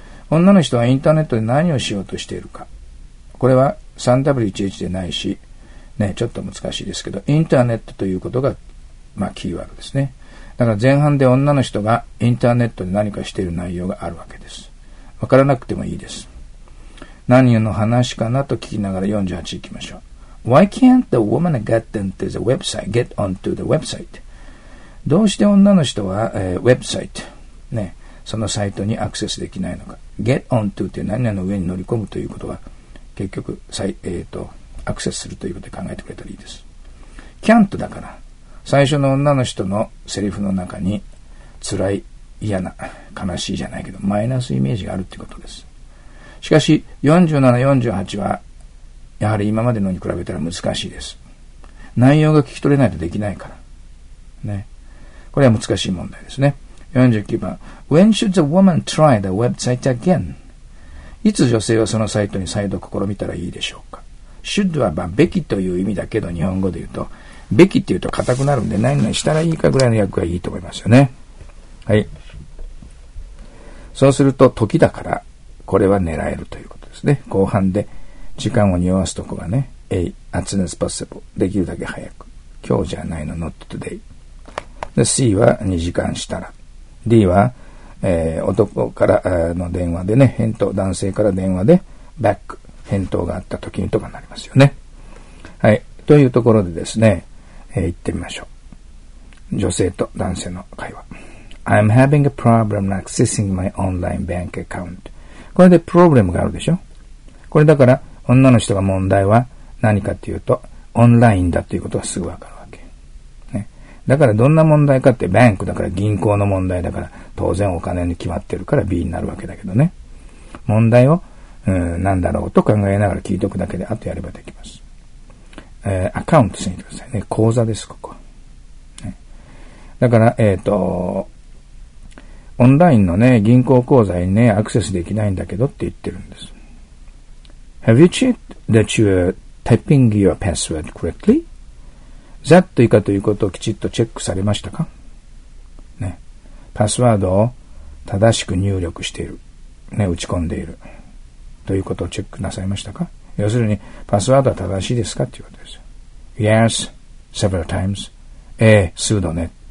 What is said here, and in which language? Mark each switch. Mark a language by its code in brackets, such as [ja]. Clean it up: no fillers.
[ja] 女の人はインターネットで何をしようとしているか。これは 3W1H でないし、ね、ちょっと難しいですけど、インターネットということが、まあ、キーワードですね。だから前半で女の人がインターネットで何かしている内容があるわけです。わからなくてもいいです。何の話かなと聞きながら48行きましょう。 [en] Why can't the woman get onto the website? Get onto the website. [ja] どうして女の人は、ウェブサイト、ね、そのサイトにアクセスできないのか。 Get onto って何々の上に乗り込むということは、結局、アクセスするということで考えてくれたらいいです。 Can't だから、最初の女の人のセリフの中に、辛い、嫌な、悲しいじゃないけど、マイナスイメージがあるということです。しかし、47、48は、やはり今までのに比べたら難しいです。内容が聞き取れないとできないから。ね。これは難しい問題ですね。 49番。 [en] When should the woman try the website again? [ja] いつ女性はそのサイトに再度試みたらいいでしょうか。should は、まあ、べきという意味だけど、日本語で言うと、べきって言うと固くなるんで、何々したらいいかぐらいの訳がいいと思いますよね。はい。そうすると、時だから、これは狙えるということですね。後半で、時間を匂わすとこがね、 as soon as possible。できるだけ早く。今日じゃないの、 not today。で、C は2時間したら。 D は、男からの電話でね、返答、男性から電話で、back、返答があった時にとかになりますよね。はい。というところでですね、行ってみましょう。女性と男性の会話。 [en] I'm having a problem accessing my online bank account. [ja] これでプロブレムがあるでしょ。これだから、女の人が問題は何かっていうと、オンラインだということがすぐわかるわけ。ね。だからどんな問題かって、バンクだから銀行の問題だから、当然お金に決まってるから B になるわけだけどね。問題を、何だろうと考えながら聞いておくだけで、あとやればできます。アカウントしてみてくださいね。口座です、ここ。ね、だから、オンラインのね、銀行口座にね、アクセスできないんだけどって言ってるんです。 [en] Have you checked that you're typing your password correctly? [ja] That 以下ということをきちっとチェックされましたか？ね。パスワードを正しく入力している。ね、打ち込んでいる。ということをチェックなさいましたか？要するに、パスワードは正しいですかということです。 [en] Yes, several times. ええ、数度ね。